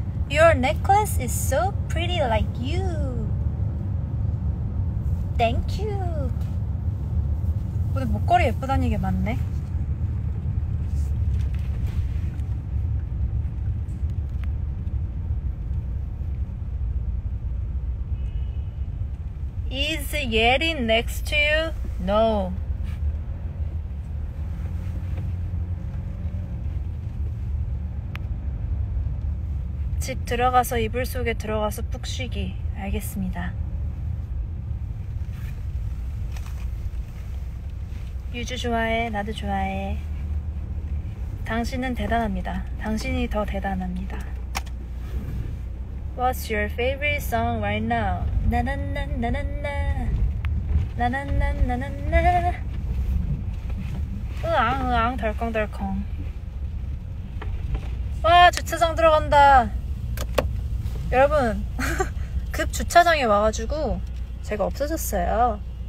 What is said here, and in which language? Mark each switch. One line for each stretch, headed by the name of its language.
English: Your necklace is so pretty like you. Thank you.
Korean: 근데 목걸이 예쁘다는 게 맞네.
English: 예린 next to you? No.
Korean: 집 들어가서 이불 속에 들어가서 푹 쉬기. 알겠습니다. You 좋아해. 나도 좋아해. 당신은 대단합니다. 당신이 더 대단합니다.
English: What's your favorite song right now? 나나나나나나 나나나나나나 으앙 으앙 덜컹덜컹.
Korean: 와, 주차장 들어간다. 여러분 급 주차장에 와가지고 제가 없어졌어요.